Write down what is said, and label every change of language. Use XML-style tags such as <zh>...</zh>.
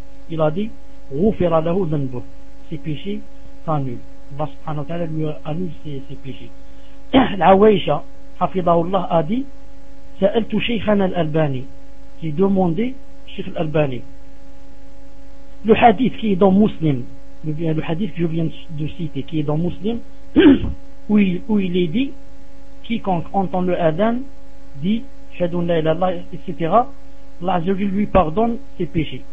<fr>Il a dit</fr> <ar>غفر له ذنبه.</ar> <fr>Ses péchés s'annulent. Allah subhanahu wa ta'ala lui annule ses péchés. Aisha حفظه الله a dit</fr> <ar>سألت شيخنا الألباني.</ar> <fr>J'ai demandé Cheikh الألباني. Le hadith qui est dans Muslim, le hadith que je viens de citer qui est dans Muslim, où il est dit quiconque entend le adhan dit shahadun la ilaha illallah, etc., Allah Azza wa Jalla lui pardonne ses péchés.</fr>